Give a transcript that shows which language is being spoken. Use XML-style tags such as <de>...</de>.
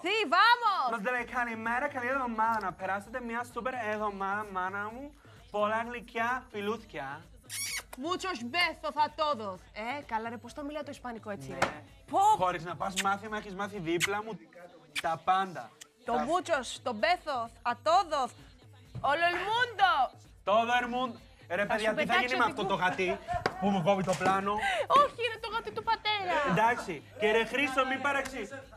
<el>Τι, βάμος. Μας λέει καλημέρα, καλή εβδομάδα. Να περάσετε μια σούπερ εβδομάδα, μάνα μου. Πολλά γλυκιά φιλούθια.</el> <es>Muchos besos a todos.</es> <el>Καλά ρε, πώς το μιλάω το ισπανικό έτσι. Ναι. Χωρίς να πας μάθημα, έχεις μάθει δίπλα μου τα πάντα. Το</el> <es>muchos,</es> <el>το</el> <es>besos a todos.</es> <el>Όλο</el> <es>el mundo. Todo el mundo.</es> <el>Ρε παιδιά, τι θα γίνει με αυτό το γατί που μου κόβει το πλάνο. Όχι, είναι το γατί του πατέρα. Εντάξει. Και ρε Χρήστο, μην παραξεί.</el>